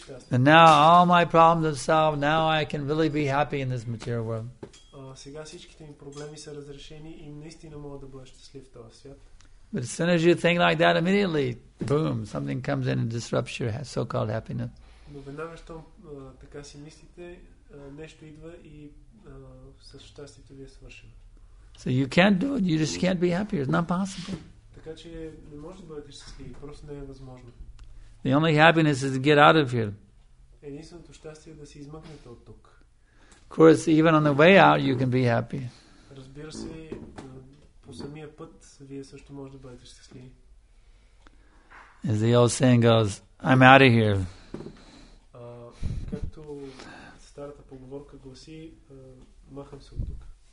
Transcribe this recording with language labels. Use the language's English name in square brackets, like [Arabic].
[English] And now all my problems are solved. Now I can really be happy in this material world. [Bulgarian] Сега всичките ми проблеми са разрешени и наистина мога да бъда щастлив в този свят. [English] But as soon as you think like that, immediately, boom, something comes in and disrupts your so-called happiness. [Bulgarian] Но веднага, щом така си мислите, нещо идва и със щастието ви е свършено. [English] So you can't do it, you just can't be happier, it's not possible. [Bulgarian] Така че не може да бъдете щастливи, просто не е възможно. [English] The only happiness is to get out of here. [Bulgarian] Единственото щастие е да се измъкнете от тук. [English] Of course, even on the way out, you can be happy. [Bulgarian] Разбира се, по самия път, вие също може да бъдете щастливи. [English] As the old saying goes, I'm out of here. [Bulgarian] Както старата поговорка гласи, махам се от тук.